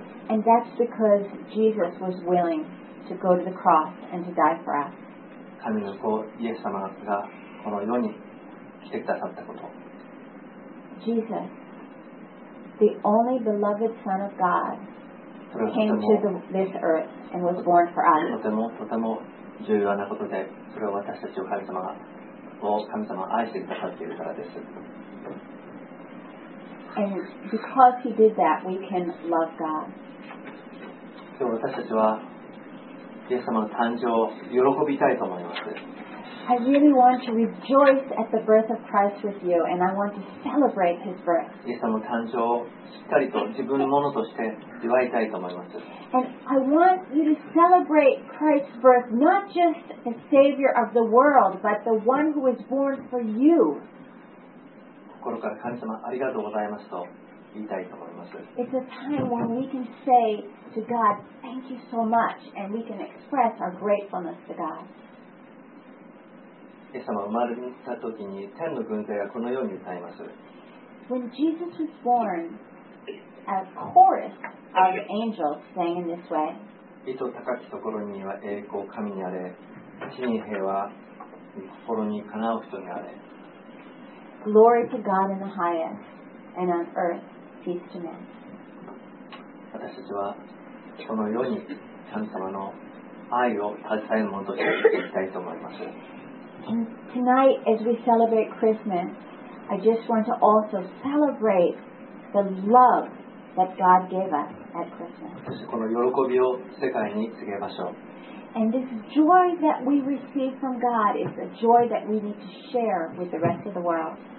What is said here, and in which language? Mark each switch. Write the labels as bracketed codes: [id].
[en] And that's because Jesus was willing to go to the cross and to die for us. [ja] 神の子イエス様がこの世に来てくださったこと。 [en] Jesus, the only beloved Son of God, came to this earth and was born for us. [ja] とてもとても重要なことで、それは私たちを神様を神様を愛してくださっているからです。 [en] And because He did that, we can love God. [ja] 今日私たちはイエス様の誕生を喜びたいと思います。 [en] I really want to rejoice at the birth of Christ with you, and I want to celebrate His birth. [ja] イエス様の誕生をしっかりと自分のものとして祝いたいと思います。 [en] And I want you to celebrate Christ's birth, not just the Savior of the world, but the one who was born for you. [ja] 心から神様ありがとうございますと言いたいと思います。 [en] It's a time when we can say to God, thank you so much, and we can express our gratefulness to God. [ja] イエス様が生まれた時に天の軍勢がこのように歌います。 [en] When Jesus was born, a chorus of angels sang in this way. [ja] 糸高きところには栄光神にあれ、地に平和、心にかなう人にあれ。 [en] Glory to God in the highest, and on earth peace to men. [ja] 私たちはこの世に神様の愛を携えるものとしていきたいと思います。 [en] Tonight, as we celebrate Christmas, I just want to also celebrate the love that God gave us at Christmas. [ja] この喜びを世界に告げましょう。 [en] And this joy that we receive from God is a joy that we need to share with the rest of the world.